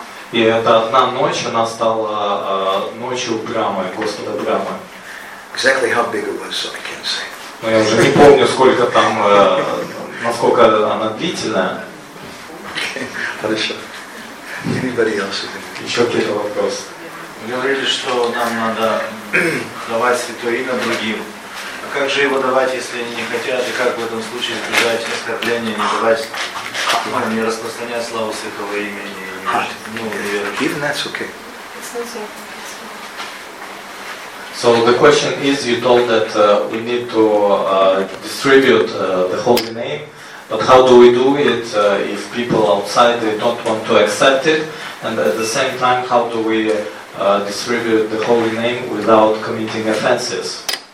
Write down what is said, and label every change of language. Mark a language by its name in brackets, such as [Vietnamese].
[Russian] И эта одна ночь, она стала ночью Брамы, Господа Брамы. [English] Exactly how big it was, so I can't say. [Russian] Но я уже не помню, сколько там, насколько она длительная. [English] Okay. Anybody else? [Russian] Еще какие-то вопросы? Вы говорили, что нам надо давать святое имя другим. А как же его давать, если они не хотят? И как в этом случае избежать оскорбления, не давать... Не распространять славу святого имени. [English] Even that's okay. So the question is, you told that we need to distribute the holy name, but how do we do it if people outside they don't want to accept it? And at the same time, how do we distribute the holy name without committing offenses?